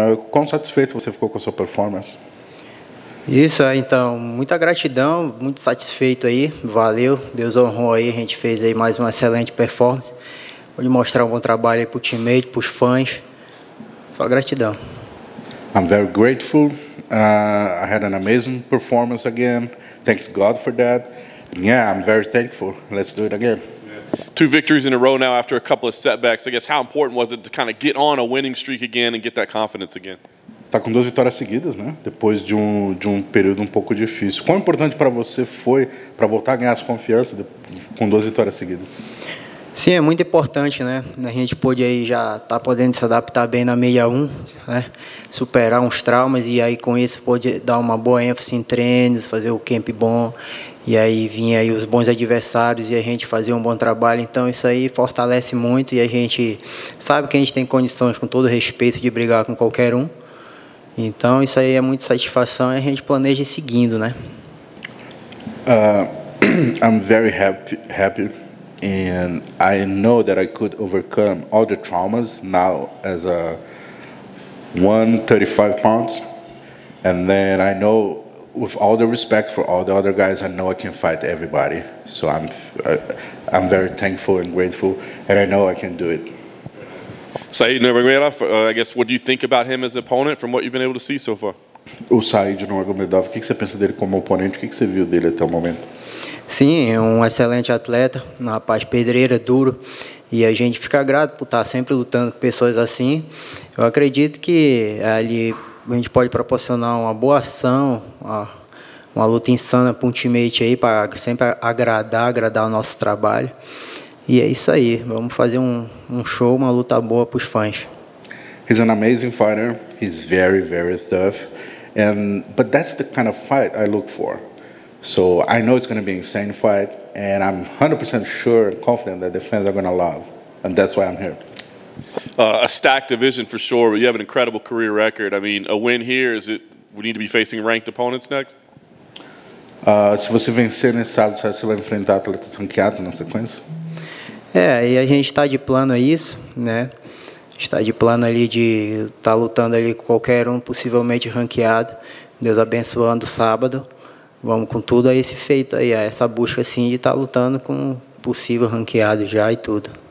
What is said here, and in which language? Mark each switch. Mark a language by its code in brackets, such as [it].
[pt] Quão satisfeito você ficou com a sua performance? Isso, então, muita gratidão, muito satisfeito aí, valeu, Deus honrou aí, a gente fez aí mais uma excelente performance. Vou lhe mostrar um bom trabalho aí para o teammate, para os fãs, só gratidão. [en] I'm very grateful, I had an amazing performance again, thanks God for that, and yeah, I'm very thankful, let's do it again. Two victories in a row now after a couple of setbacks, I guess how important was it to kind of get on a winning streak again and get that confidence again? [pt] Está com duas vitórias seguidas, né? Depois de um período um pouco difícil. Quão importante para você foi para voltar a ganhar essa confiança com duas vitórias seguidas? Sim, é muito importante, né? A gente pôde aí já estar podendo se adaptar bem na 61, né? Superar uns traumas e aí com isso pôde dar uma boa ênfase em treinos, fazer o camp bom. E aí vinha aí os bons adversários e a gente fazia um bom trabalho. Então isso aí fortalece muito e a gente sabe que a gente tem condições, com todo respeito, de brigar com qualquer um. Então, isso aí é muita satisfação e a gente planeja ir seguindo, né? [en] I'm very happy and I know that I could overcome all the traumas now as a 135 pounds. And then I know, with all the respect for all the other guys, I know I can fight everybody. So I'm very thankful and grateful and I know I can do it. Saeed Nurmagomedov, I guess, what do you think about him as an opponent from what you've been able to see so far? [pt] O Saeed Nurmagomedov, o que você pensa dele como oponente? O que você viu dele até o momento? Sim, um excelente atleta, um rapaz pedreiro, duro. E a gente fica grato por estar sempre lutando com pessoas assim. Eu acredito que ali a gente pode proporcionar uma boa ação, uma luta insana para um teammate aí, para sempre agradar o nosso trabalho. E é isso aí, vamos fazer um show, uma luta boa para os fãs. [en] He's an amazing fighter, he's very, very tough, but that's the kind of fight I look for. So I know it's going to be an insane fight, and I'm 100% sure and confident that the fans are going to love, and that's why I'm here. A stacked division for sure, but you have an incredible career record. I mean, a win here, is it, we need to be facing ranked opponents next? [pt] Se você vencer nesse sábado, você vai enfrentar atletas ranqueados na sequência? É, e a gente está de plano a isso, né? Está de plano ali de estar lutando ali com qualquer um possivelmente ranqueado. Deus abençoando o sábado. Vamos com tudo a esse feito aí, a essa busca assim de estar lutando com possível ranqueado já e tudo.